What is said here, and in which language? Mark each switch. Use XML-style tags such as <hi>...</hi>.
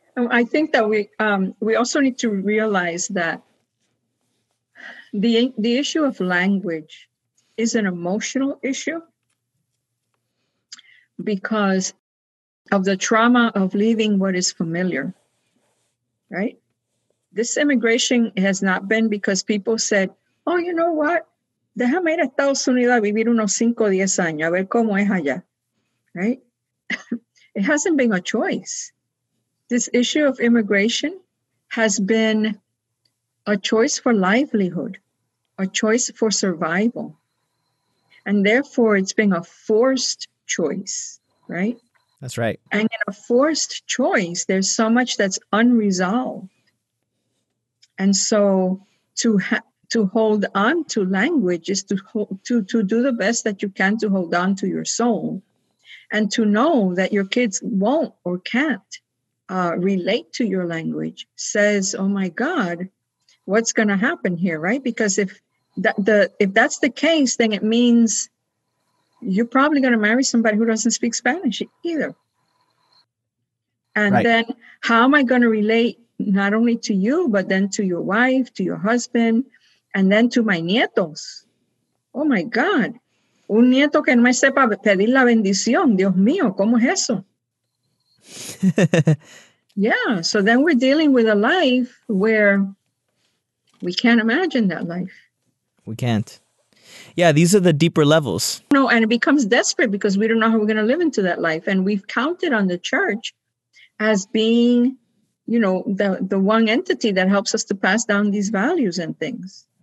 <en>I think that we also need to realize that the issue of language is an emotional issue because of the trauma of leaving what is familiar, right? This immigration has not been because people said, oh, you know what?</en> <es>Déjame ir a Estados Unidos a vivir unos 5 o 10 años, a ver cómo es allá,</es> <en>right? It hasn't been a choice. This issue of immigration has been a choice for livelihood, a choice for survival. And therefore, it's been a forced choice, right? That's right. And in a forced choice, there's so much that's unresolved. And so to hold on to language is to do the best that you can to hold on to your soul and to know that your kids won't or can't relate to your language says, oh my God, what's going to happen here, right? Because if that's the case, then it means you're probably going to marry somebody who doesn't speak Spanish either. And right. Then how am I going to relate not only to you, but then to your wife, to your husband, and then to my nietos? Oh my God.</en> <es>Un nieto que no me sepa pedir la bendición. Dios mío, ¿cómo es eso?</es> <en>Yeah, so then we're dealing with a life where we can't imagine that life. We can't. Yeah, these are the deeper levels. No, and it becomes desperate because we don't know how we're going to live into that life. And we've counted on the church as being, you know, the one entity that helps us to pass down these values and things.</en>